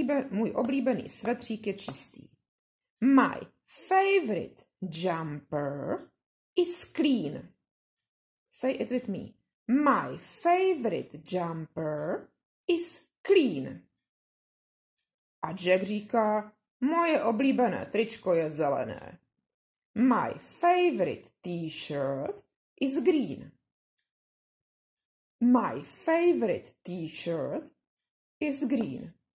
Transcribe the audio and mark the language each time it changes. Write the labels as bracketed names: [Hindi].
[Czech] Můj oblíbený svetřík je čistý. [English] My favorite jumper is clean. Say it with me. My favorite jumper is clean. [Czech] A Jack říká, moje oblíbené tričko je zelené. [English] My favorite t-shirt is green. My favorite t-shirt is green.